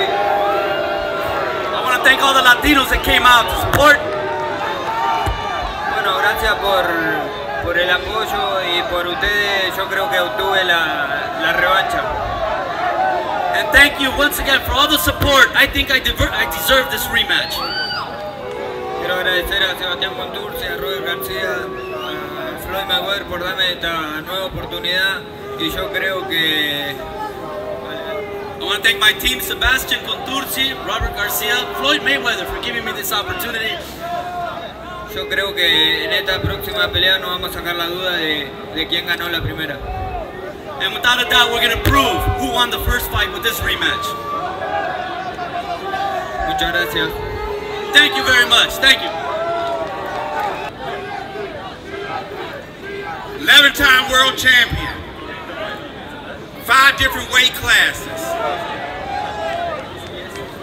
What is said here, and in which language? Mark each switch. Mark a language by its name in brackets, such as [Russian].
[English] I want to thank all the Latinos that came out to support. [Spanish] Bueno, gracias por el apoyo y por ustedes. Yo creo que obtuve la revancha. [English] And thank you once again for all the support. I think I deserve this rematch. [Spanish] Quiero agradecer a Sebastián Conturce, a Roy García, a Floyd Mayweather por darme esta nueva oportunidad. Y yo creo que [English] I want to thank my team, Sebastian Conturci, Robert Garcia, Floyd Mayweather, for giving me this opportunity. [Spanish] Yo creo que en esta próxima pelea no vamos a sacar la duda de quién ganó la primera. [English] And without a doubt, we're going to prove who won the first fight with this rematch. [Spanish] Muchas gracias. [English] Thank you very much. Thank you. 11-time world champion. 5 different weight classes.